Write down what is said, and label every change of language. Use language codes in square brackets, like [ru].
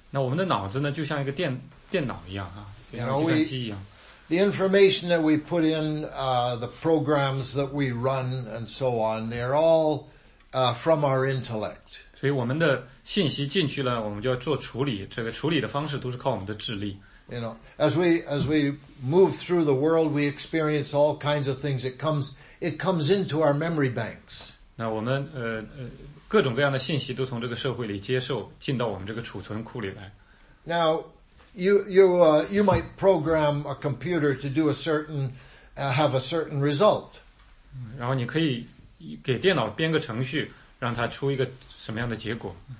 [zh] 那我们的脑子呢，就像一个电脑一样啊，像计算机一样。 [en] The information that we put in, the programs that we run and so on, they're all from our intellect. [zh] 所以我们的信息进去了，我们就要做处理，这个处理的方式都是靠我们的智力。 [en] You know, as we move through the world, we experience all kinds of things. It comes into our memory banks. [zh] 那我们各种各样的信息都从这个社会里接受，进到我们这个储存库里来。 [en] Now, you might program a computer to do have a certain result. [zh] 然后你可以给电脑编个程序，让它出一个什么样的结果。